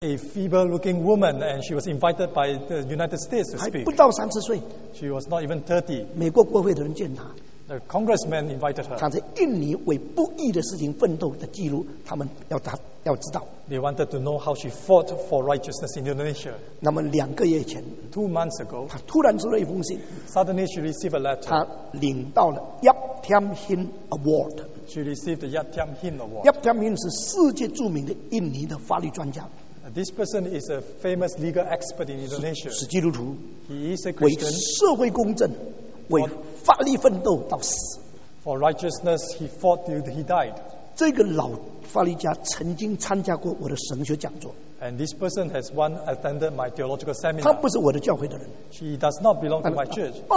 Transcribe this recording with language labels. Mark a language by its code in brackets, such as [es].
[en] A feeble-looking woman, and she was invited by the United States to speak. [zh] 还不到30岁, [en] she was not even 30. [zh] 美国国会的人见她, [en] the congressman invited her. [zh] 看着印尼为不义的事情奋斗的记录, 他们要知道, [en] they wanted to know how she fought for righteousness in Indonesia. [zh] 那么2个月前, [en] 2 months ago, [zh] 她突然出了一封信, [en] suddenly she received a letter. [zh] 她领到了 Yap Tiam Hin Award. [en] She received the Yap Tiam Hin Award. [zh] Yap Tiam Hin 是世界著名的印尼的法律专家。 [en] This person is a famous legal expert in Indonesia. [zh] 是基督徒, [en] he is a Christian. [zh] 为社会公正, 为法律奋斗到死, [en] for righteousness, he fought till he died. [zh] 这个老法律家曾经参加过我的神学讲座, [en] and this person has once attended my theological seminar. [zh] 他不是我的教会的人, [en] she does not belong to my church.